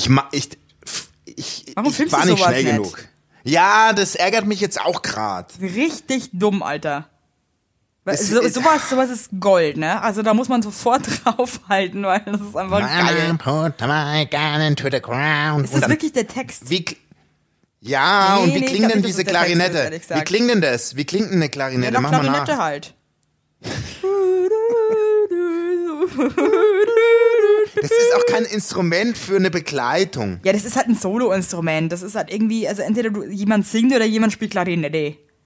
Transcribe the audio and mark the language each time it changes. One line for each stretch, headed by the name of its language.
German: Ich war nicht schnell genug. Ja, das ärgert mich jetzt auch gerade. Richtig dumm, Alter. Sowas ist Gold, ne? Also da muss man sofort draufhalten, weil das ist einfach geil.
English: Mama, put my gun into the ground.
German: Ist das wirklich der Text? Wie klingt denn diese Klarinette? Wie klingt denn das? Wie klingt denn eine Klarinette? Ja, mach Klarinette mal nach. Das ist auch kein Instrument für eine Begleitung. Ja, das ist halt ein Solo-Instrument. Das ist halt irgendwie, also entweder jemand singt oder jemand spielt Klarinette.